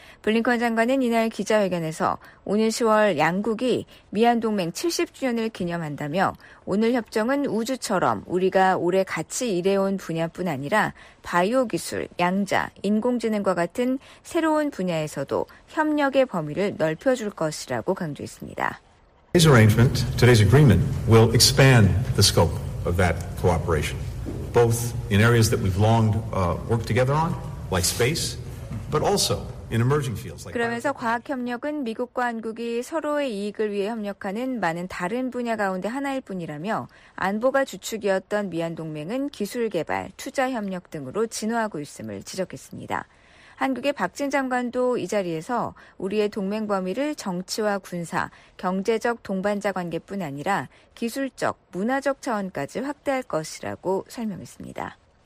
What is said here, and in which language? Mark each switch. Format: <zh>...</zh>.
<ko>블링컨 장관은 이날 기자회견에서 오는 10월 양국이 미한동맹 70주년을 기념한다며 오늘 협정은 우주처럼 우리가 오래 같이 일해온 분야뿐 아니라 바이오기술, 양자, 인공지능과 같은 새로운 분야에서도 협력의 범위를 넓혀줄 것이라고 강조했습니다.</ko> <en>Today's arrangement, today's agreement will expand the scope of that cooperation, both in areas that we've long worked together on, like space, but also</en> <ko>그러면서 과학협력은 미국과 한국이 서로의 이익을 위해 협력하는 많은 다른 분야 가운데 하나일 뿐이라며 안보가 주축이었던 미한동맹은 기술개발, 투자협력 등으로 진화하고 있음을 지적했습니다. 한국의 박진 장관도 이 자리에서 우리의 동맹 범위를 정치와 군사, 경제적 동반자 관계뿐 아니라 기술적, 문화적 차원까지 확대할 것이라고 설명했습니다.</ko>